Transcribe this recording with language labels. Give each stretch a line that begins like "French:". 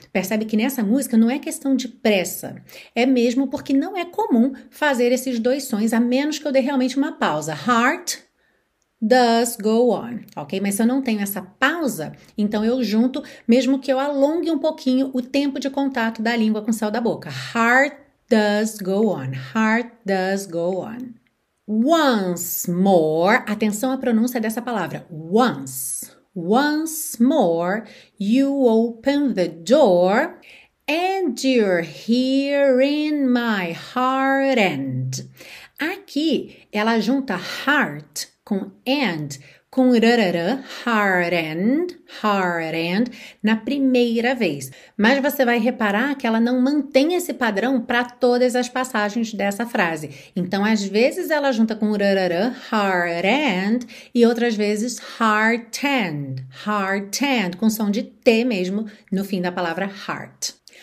Portuguese: Percebe que nessa música não é questão de pressa. É mesmo porque não é comum fazer esses dois sons a menos que eu dê realmente uma pausa.
English: Heart does go on, ok?
Portuguese: Mas se eu não tenho essa pausa, então eu junto, mesmo que eu alongue um pouquinho o tempo de contato da língua com o céu da boca.
English: Heart does go on, heart does go on. Once more,
Portuguese: atenção à pronúncia dessa palavra, once.
English: Once more, you open the door and you're here in my heart end.
Portuguese: Aqui, ela junta heart com and, com rarara, hard end, na primeira vez. Mas você vai reparar que ela não mantém esse padrão para todas as passagens dessa frase. Então, às vezes ela junta com rarara, hard end, e outras vezes hard end, com som de T mesmo no fim da palavra heart.